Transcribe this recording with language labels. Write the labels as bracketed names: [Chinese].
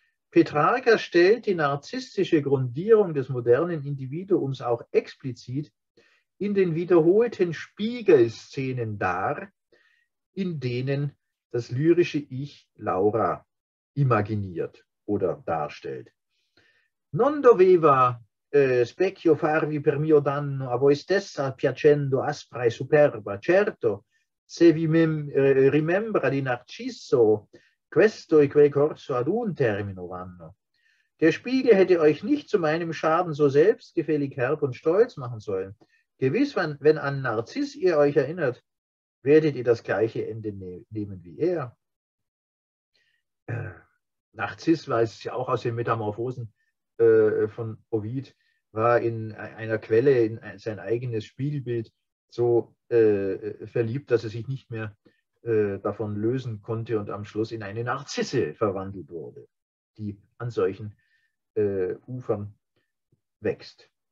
[German] Petrarca stellt die narzisstische Grundierung des modernen Individuums auch explizit in den wiederholten Spiegelszenen dar, in denen das lyrische Ich Laura imaginiert oder darstellt. [Italian] Non doveva specchio farvi per mio danno a voi stessa piacendo aspra e superba, certo, se vi rimembra di Narciso, questo e quel corso ad un termino vanno. [German] Der Spiegel hätte euch nicht zu meinem Schaden so selbstgefällig herb und stolz machen sollen. Gewiss, wenn an Narziss ihr euch erinnert, werdet ihr das gleiche Ende nehmen wie er. Narziss weiß ich auch aus den Metamorphosen von Ovid, war in einer Quelle in sein eigenes Spiegelbild so verliebt, dass er sich nicht mehr davon lösen konnte und am Schluss in eine Narzisse verwandelt wurde, die an solchen Ufern wächst.